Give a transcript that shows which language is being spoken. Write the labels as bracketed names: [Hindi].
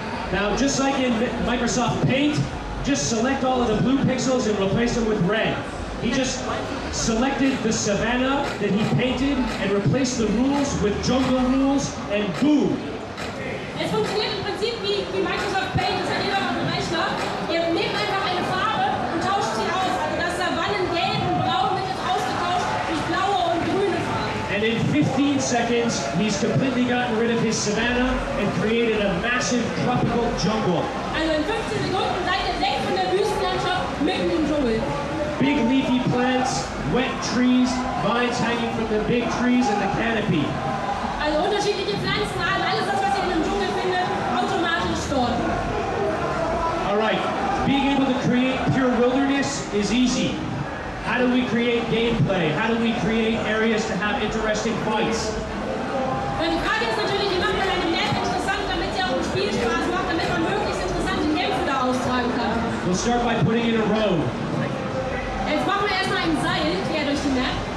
[English] Now, just like in Microsoft Paint, just select all of the blue pixels and replace them with red. He just selected the savanna that he painted and replaced the rules with jungle rules and boom. [German] Es funktioniert im Prinzip wie Microsoft Paint, das hat jeder auf dem Rechner. Ihr nehmt einfach eine Farbe und tauscht sie aus. Also das Savannen gelb und braun wird jetzt ausgetauscht durch blaue und grüne Farben. [English] And in 15 seconds, he's completely gotten rid of his savanna and created a massive tropical jungle. [German] Also in 15 Sekunden seid ihr weg von der Wüstenlandschaft mitten im Dschungel. [English] Big leafy plants, wet trees, vines hanging from the big trees and the canopy. [German] Also unterschiedliche Pflanzenarten, alles das, was ihr in dem Dschungel findet, automatisch dort. [English] Alright, being able to create pure wilderness is easy. How do we create gameplay? How do we create areas to have interesting fights? [German] Und die Frage ist natürlich, wie macht man eine Map interessant, damit sie auch Spielspaß macht, damit man möglichst interessante Kämpfe da austragen kann. [English] We'll start by putting in a road. [German] Jetzt machen wir erstmal ein Seil quer durch die Map.